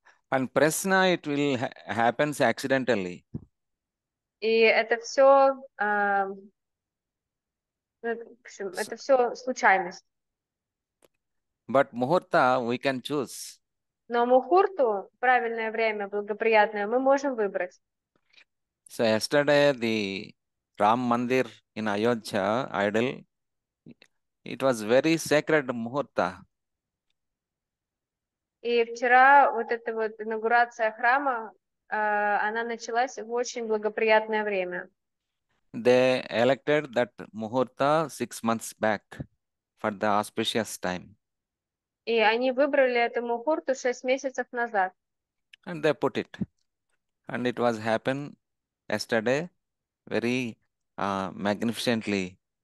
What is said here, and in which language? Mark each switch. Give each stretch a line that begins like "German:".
English: And prashna, it will happen accidentally.
Russian: И это все случайность.
English: But muhurta, we can choose.
Russian: Но мухурту, правильное время, благоприятное, мы можем выбрать.
English: So yesterday the Ram Mandir in Ayodhya idol, it was very sacred muhurta.
Russian: И вчера вот эта вот инаугурация храма, она началась в очень благоприятное время.
English: They elected that muhurta 6 months back for the auspicious time.
Russian: И они выбрали эту мухурту 6 месяцев назад.
English: And they put it. And it was happen yesterday very magnificently.